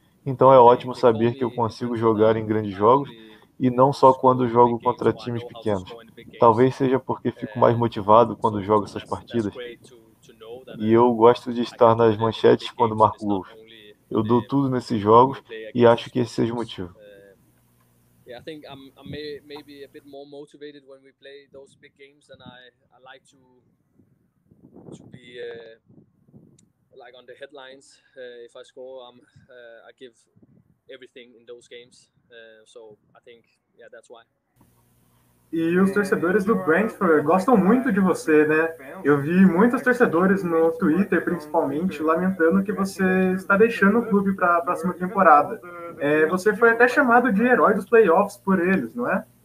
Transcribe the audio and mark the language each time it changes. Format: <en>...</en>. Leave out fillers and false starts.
<pt>Então é ótimo saber que eu consigo jogar em grandes jogos e não só quando jogo contra times pequenos. Talvez seja porque fico mais motivado quando jogo essas partidas. E eu gosto de estar nas manchetes quando marco gols. Eu dou tudo nesses jogos e acho que esse seja o motivo.</pt> <en>I think I'm maybe a bit more motivated when we play those big games, and I like to be like on the headlines. If I score, I give everything in those games. So I think that's why.</en> <pt>E os torcedores do Brentford gostam muito de você, né? Eu vi muitos torcedores no Twitter, principalmente, lamentando que você está deixando o clube para a próxima temporada. É, você foi até chamado de herói dos playoffs por eles, não é?</pt>